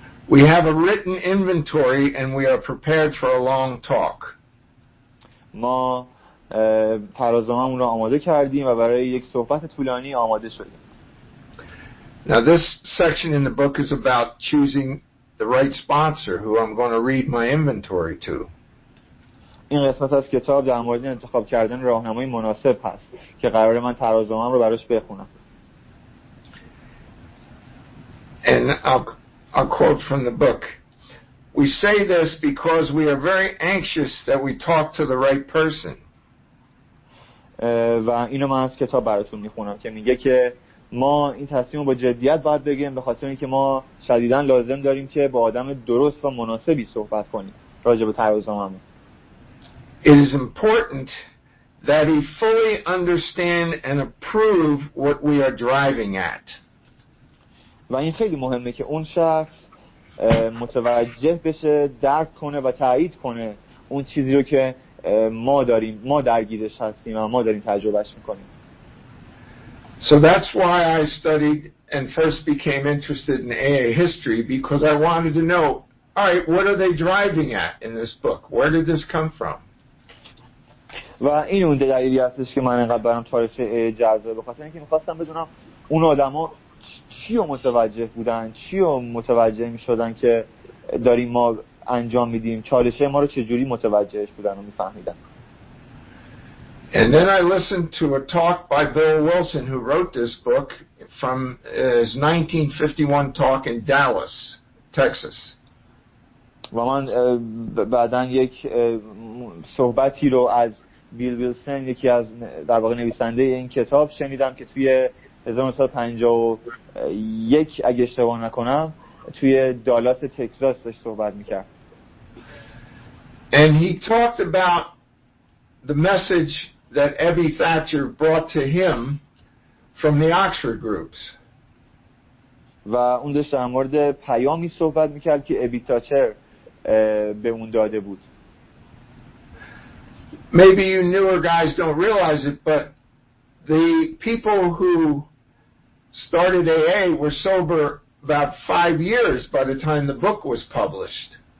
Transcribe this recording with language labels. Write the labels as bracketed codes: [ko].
[en] We have a written inventory and we are prepared for a long talk. [fa] ما ترازه‌هامون رو آماده کردیم و برای یک صحبت طولانی آماده شدیم. [en] Now this section in the book is about choosing the right sponsor who I'm going to read my inventory to. [fa] این قسمت از کتاب در مورد انتخاب کردن راهنمای مناسب هست که قراره من ترازه‌هام رو براش بخونم. [en] And I'll quote from the book. We say this because we are very anxious that we talk to the right person. [fa] و اینو من از کتاب براتون میخونم که میگه که ما این تصمیم رو با جدیت باید بگیم به خاطر اینکه ما شدیداً لازم داریم که با آدم درست و مناسبی صحبت کنیم راجع به ترازه‌هامون. [en] It is important that he fully understand and approve what we are driving at. [fa] و این خیلی مهمه که اون شخص متوجه بشه، درک کنه و تایید کنه اون چیزی رو که ما درگیرش هستیم و ما داریم تجربهش میکنیم. [en] So that's why I studied and first became interested in AA history because I wanted to know, all right, what are they driving at in this book? Where did this come from? [fa] و این اون دلیلی هستش که من انقدر برام تاریخ AA جذابه بخاطر اینکه میخواستم بدونم اون آدم ها چی رو متوجه بودن، چی رو متوجه میشدن که داریم ما انجام میدیم، چالشه ما رو چجوری متوجهش بودن و میفهمیدن. [en] And then I listened to a talk by Bill Wilson who wrote this book from his 1951 talk in Dallas, Texas. [fa] و من بعدن یک صحبتی رو از بیل ویلسن، یکی از در واقع نویسنده این کتاب شنیدم که توی 1951 اگه اشتباه نکنم توی دالاس تگزاس داشت صحبت میکرد. [en] And he talked about the message that Abby Thatcher brought to him from the Oxford groups. [fa] و اون داشت در مورد پیامی صحبت میکرد که ابی تاچر به اون داده بود. [en] Maybe you newer guys don't realize it, but the people who started AA were sober about 5 years by the time the book was published.